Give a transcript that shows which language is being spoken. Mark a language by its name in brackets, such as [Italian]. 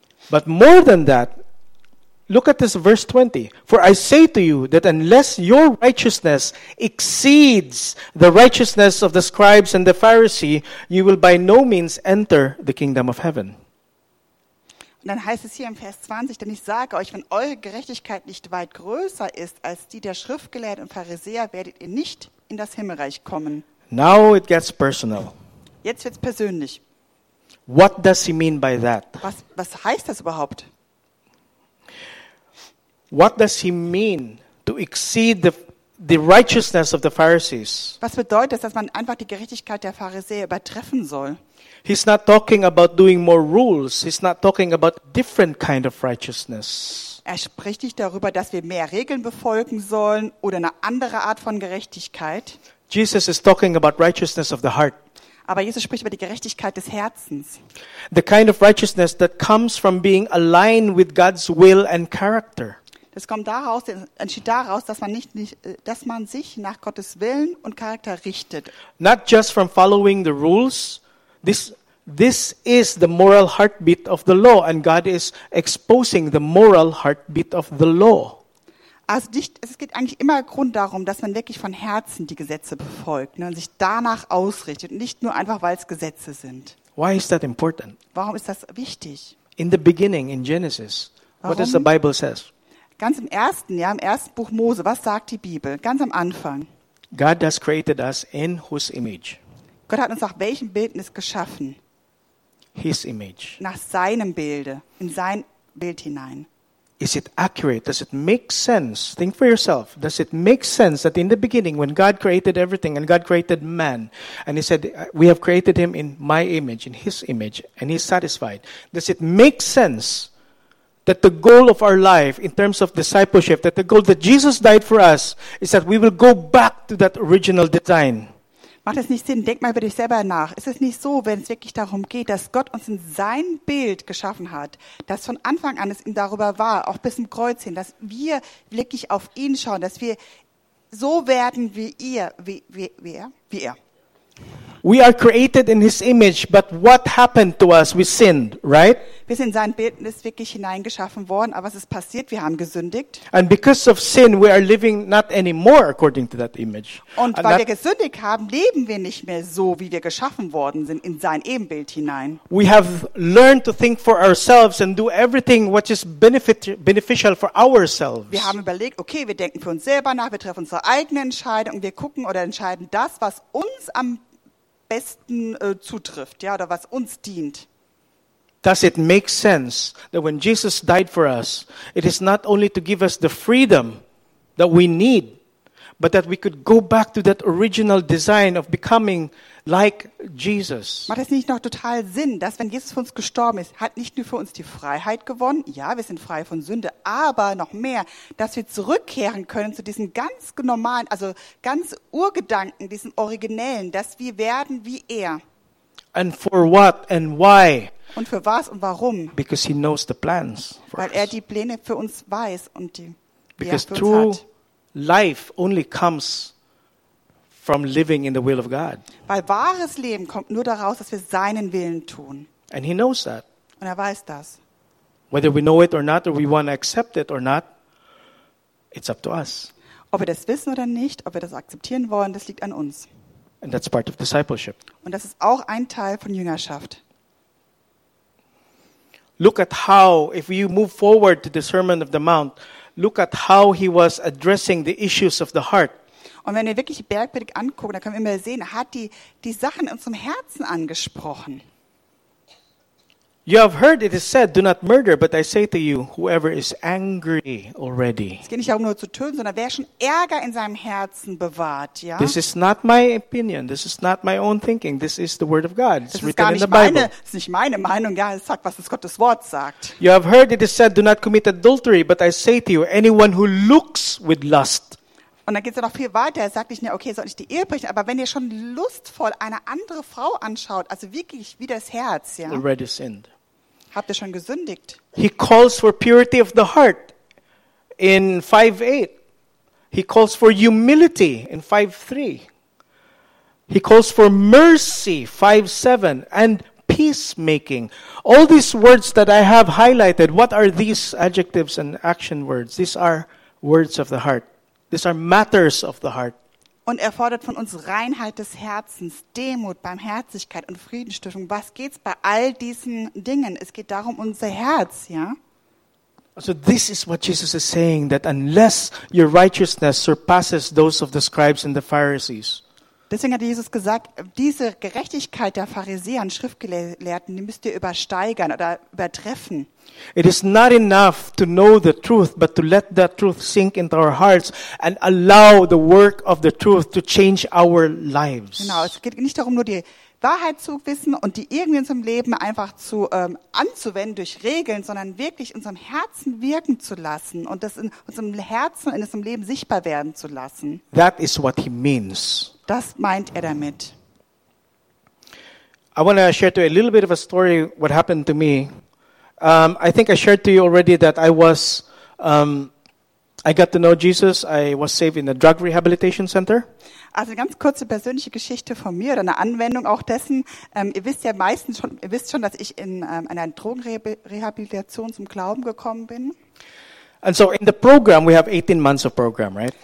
[English] But more than that, look at this verse 20. For I say to you that unless your righteousness exceeds the righteousness of the scribes and the Pharisee, you will by no means enter the kingdom of heaven. [German] Und dann heißt es hier im Vers 20, denn ich sage euch, wenn eure Gerechtigkeit nicht weit größer ist als die der Schriftgelehrten und Pharisäer, werdet ihr nicht in das Himmelreich kommen. [English] Now it gets personal. [German] Jetzt wird's persönlich. [English] What does he mean by that? [German] Was heißt das überhaupt? [English] What does he mean to exceed the righteousness of the Pharisees? [German] Was bedeutet das, dass man einfach die Gerechtigkeit der Pharisäer übertreffen soll? [English] He's not talking about doing more rules. He's not talking about different kind of righteousness. [German] Er spricht nicht darüber, dass wir mehr Regeln befolgen sollen oder eine andere Art von Gerechtigkeit. [English] Jesus is talking about righteousness of the heart. [German] Aber Jesus spricht über die Gerechtigkeit des Herzens. [English] The kind of righteousness that comes from being aligned with God's will and character. [German] Das kommt daraus, entsteht daraus, dass man sich nach Gottes Willen und Charakter richtet. [English] Not just from following the rules. This is the moral heartbeat of the law, and God is exposing the moral heartbeat of the law. [German] Also nicht, es geht eigentlich immer Grund darum, dass man wirklich von Herzen die Gesetze befolgt, ne, und sich danach ausrichtet, nicht nur einfach, weil es Gesetze sind. [English] Why is that important? [German] Warum ist das wichtig? [English] In the beginning, in Genesis, what does the Bible says? [German] Ganz im ersten, ja, im ersten Buch Mose, was sagt die Bibel? Ganz am Anfang. [English] God has created us in whose image? [German] Gott hat uns nach welchem Bildnis geschaffen? [English] His image. [German] Nach seinem Bilde, in sein Bild hinein. [English] Is it accurate? Does it make sense? Think for yourself. Does it make sense that in the beginning, when God created everything and God created man, and he said, we have created him in my image, in his image, and he's satisfied. Does it make sense that the goal of our life in terms of discipleship, that the goal that Jesus died for us, is that we will go back to that original design? [German] Macht das nicht Sinn? Denk mal über dich selber nach. Ist es nicht so, wenn es wirklich darum geht, dass Gott uns in sein Bild geschaffen hat, dass von Anfang an es ihm darüber war, auch bis zum Kreuz hin, dass wir wirklich auf ihn schauen, dass wir so werden wie ihr, wie er? [English] We are created in his image, but what happened to us? We sinned, right? [German] Wir sind in sein Bildnis wirklich hineingeschaffen worden, aber was ist passiert? Wir haben gesündigt. [English] And because of sin, we are living not anymore according to that image. [German] Und weil wir gesündigt haben, leben wir nicht mehr so, wie wir geschaffen worden sind, in sein Ebenbild hinein. [English] We have learned to think for ourselves and do everything what is beneficial for ourselves. [German] Wir haben überlegt, okay, wir denken für uns selber nach, wir treffen unsere eigene Entscheidung, wir gucken oder entscheiden das, was uns am besten zutrifft, ja, oder was uns dient. [English] Does it make sense that when Jesus died for us, it is not only to give us the freedom that we need, but that we could go back to that original design of becoming like Jesus? [German] Macht es nicht noch total Sinn, dass wenn Jesus für uns gestorben ist, hat nicht nur für uns die Freiheit gewonnen, ja, wir sind frei von Sünde, aber noch mehr, dass wir zurückkehren können zu diesem ganz normalen, also ganz Urgedanken, diesem Originellen, dass wir werden wie er. [English] And for what and why? [German] Und für was und warum? [English] Because he knows the plans for us. [German] Weil er die Pläne für uns weiß und die [English] Because true life only comes from living in the will of God. [German] Weil wahres Leben kommt nur daraus, dass wir seinen Willen tun. [English] And he knows that. [German] Und er weiß das. [English] Whether we know it or not, or we want to accept it or not, it's up to us. [German] Ob wir das wissen oder nicht, ob wir das akzeptieren wollen, das liegt an uns. [English] And that's part of discipleship. [German] Und das ist auch ein Teil von Jüngerschaft. [English] Look at how, if you move forward to the Sermon of the Mount, look at how he was addressing the issues of the heart. [German] Und wenn wir wirklich die Bergpredigt angucken, dann können wir immer sehen, hat die Sachen in unserem Herzen angesprochen. [English] You have heard it is said, do not murder, but I say to you, whoever is angry already. [German] Es geht nicht darum, nur zu töten, sondern wer schon Ärger in seinem Herzen bewahrt, ja? [English] This is not my opinion. This is not my own thinking. This is the word of God. It's written in the Bible. [German] Das ist nicht meine Meinung, ja, es sagt, was das Gottes Wort sagt. [English] You have heard it is said, do not commit adultery, but I say to you, anyone who looks with lust. [German] Und dann geht es ja noch viel weiter. Er sagt nicht, okay, soll ich die Ehe brechen? Aber wenn ihr schon lustvoll eine andere Frau anschaut, also wirklich wie das Herz, ja, [English] already sinned. [German] Habt ihr schon gesündigt? [English] He calls for purity of the heart in 5:8. He calls for humility in 5:3. He calls for mercy 5:7 and peacemaking. All these words that I have highlighted, what are these adjectives and action words? These are words of the heart. These are matters of the heart. [German] Und er fordert von uns Reinheit des Herzens, Demut, Barmherzigkeit und Friedensstiftung. Was geht's bei all diesen Dingen? Es geht darum unser Herz, ja? [English] So this is what Jesus is saying, that unless your righteousness surpasses those of the scribes and the Pharisees. [German] Deswegen hat Jesus gesagt, diese Gerechtigkeit der Pharisäer und Schriftgelehrten, die müsst ihr übersteigern oder übertreffen. [English] It is not enough to know the truth, but to let that truth sink into our hearts and allow the work of the truth to change our lives. [German] Genau, es geht nicht darum, nur die Wahrheit zu wissen und die irgendwie in unserem Leben einfach zu anzuwenden durch Regeln, sondern wirklich in unserem Herzen wirken zu lassen und das in unserem Herzen, in unserem Leben sichtbar werden zu lassen. [English] That is what he means. [German] Das meint er damit. [English] I want to share to you a little bit of a story what happened to me. I think I shared to you already that I got to know Jesus. I was saved in a drug rehabilitation center. [German] Also eine ganz kurze persönliche Geschichte von mir oder eine Anwendung auch dessen. Ihr wisst schon, dass ich in einer Drogenrehabilitation zum Glauben gekommen bin. [English] And so in the program we have 18 months of program, right?